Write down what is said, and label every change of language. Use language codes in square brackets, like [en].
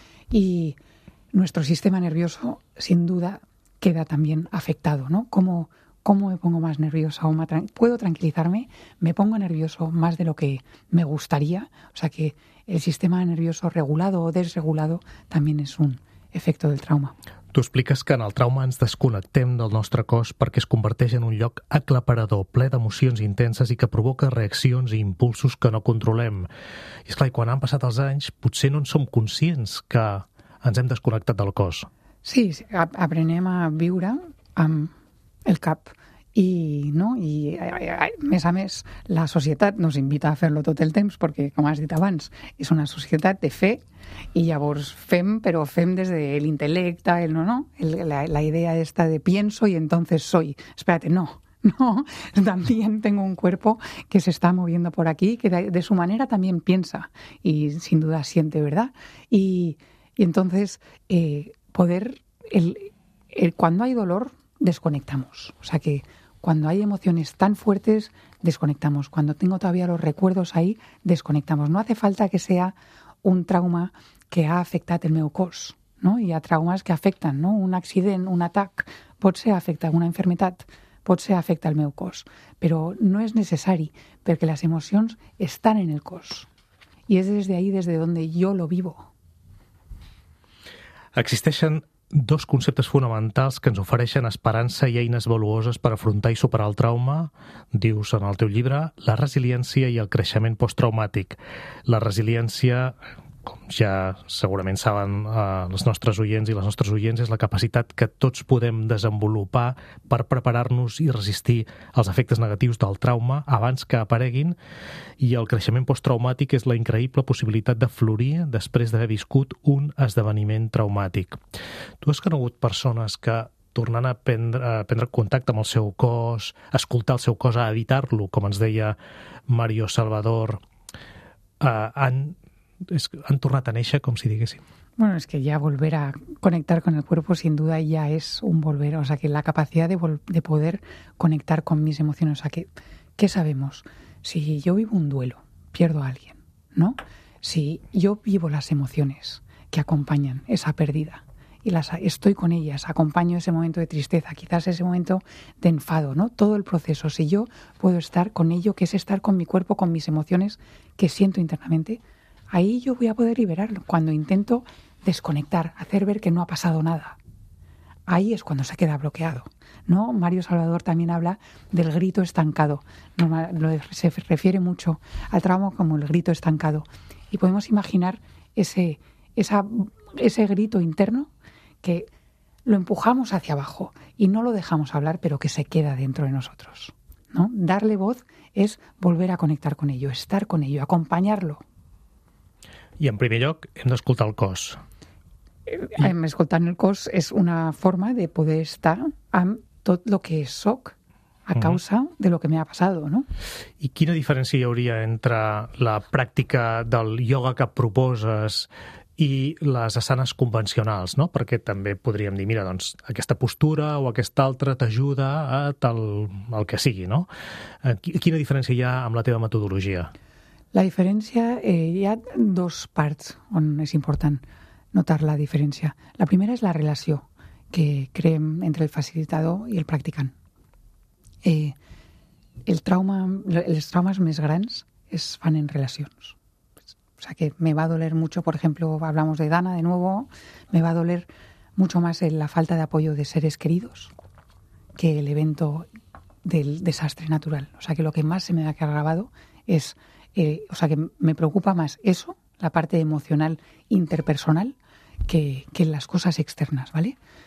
[es] Y nuestro sistema nervioso, sin duda, queda también afectado, ¿no? ¿Cómo, ¿cómo me pongo más nerviosa? O ¿puedo tranquilizarme? ¿Me pongo nervioso más de lo que me gustaría? O sea que el sistema nervioso regulado o desregulado también es un efecto del trauma. [ca] Tu expliques que en el trauma ens desconnectem del nostre cos perquè es converteix en un lloc aclaparador, ple d'emocions intenses i que provoca reaccions i impulsos que no controlem. I esclar, i quan han passat els anys, potser no en som conscients que ens hem desconnectat del cos. Sí, sí, aprenem a viure amb el cap. I, no? I a més, la societat ens invita a fer-lo tot el temps perquè, com has dit abans, és una societat de fer i llavors fem, però fem des de l'intel·lecte, el no, no, la idea esta de [es] pienso y entonces soy. Espérate, no. No, también tengo un cuerpo que se está moviendo por aquí, que de su manera también piensa y sin duda siente, ¿verdad? Y entonces poder... cuando hay dolor, desconectamos. O sea que cuando hay emociones tan fuertes, desconectamos. Cuando tengo todavía los recuerdos ahí, desconectamos. No hace falta que sea un trauma que ha afectado [ca] el meu cos, [es] ¿no? Y a traumas que afectan, ¿no? [ca] Un accident, un atac, pot ser afecta [es] una enfermedad, [ca] pot ser afecta el meu cos. [es] Pero no es necesario, porque las emociones están en el cos. Y es desde ahí, desde donde yo lo vivo. [ca] Existeixen dos conceptes fonamentals que ens ofereixen esperança i eines valuoses per afrontar i superar el trauma, dius en el teu llibre, la resiliència i el creixement posttraumàtic. La resiliència, com ja segurament saben els nostres oients i les nostres oients, és la capacitat que tots podem desenvolupar per preparar-nos i resistir els efectes negatius del trauma abans que apareguin. I el creixement posttraumàtic és la increïble possibilitat de florir després d'haver viscut un esdeveniment traumàtic. Tu has conegut persones que, tornant a prendre contacte amb el seu cos, escoltar el seu cos, a evitar-lo, com ens deia Mario Salvador, han tornat a néixer, com si diguéssim. [es] Bueno, es que ya volver a conectar con el cuerpo sin duda ya es un volver. O sea, que la capacidad de poder conectar con mis emociones. O sea, que ¿qué sabemos? Si yo vivo un duelo, pierdo a alguien, ¿no? Si yo vivo las emociones que acompañan esa pérdida y estoy con ellas, acompaño ese momento de tristeza, quizás ese momento de enfado, ¿no? Todo el proceso. Si yo puedo estar con ello, que es estar con mi cuerpo, con mis emociones que siento internamente, ahí yo voy a poder liberarlo. Cuando intento desconectar, hacer ver que no ha pasado nada, ahí es cuando se queda bloqueado, ¿no? Mario Salvador también habla del grito estancado. Normal, se refiere mucho al trauma como el grito estancado. Y podemos imaginar ese grito interno que lo empujamos hacia abajo y no lo dejamos hablar, pero que se queda dentro de nosotros, ¿no? Darle voz es volver a conectar con ello, estar con ello, acompañarlo. [ca] I en primer lloc, hem d'escoltar el cos. Escoltant el cos és una forma de poder estar amb tot el que soc [es] a causa de lo que me ha pasado, [ca] ¿no? I quina diferència hi hauria entre la pràctica del ioga que proposes i les asanes convencionals, no? Perquè també podríem dir, mira, doncs, aquesta postura o aquesta altra t'ajuda a tal el que sigui, no? Quina diferència hi ha amb la teva metodologia? La diferència, hi ha dos parts on és important notar la diferència. La primera és la relació que creem entre el facilitador i el practicant. Els traumas més grans es fan en relacions. [es] O sea que me va a doler mucho, por ejemplo, hablamos de Dana de nuevo, me va a doler mucho más la falta de apoyo de seres queridos que el evento del desastre natural. O sea que lo que más se me ha quedado grabado es... que me preocupa más eso, la parte emocional interpersonal, que las cosas externas, ¿vale?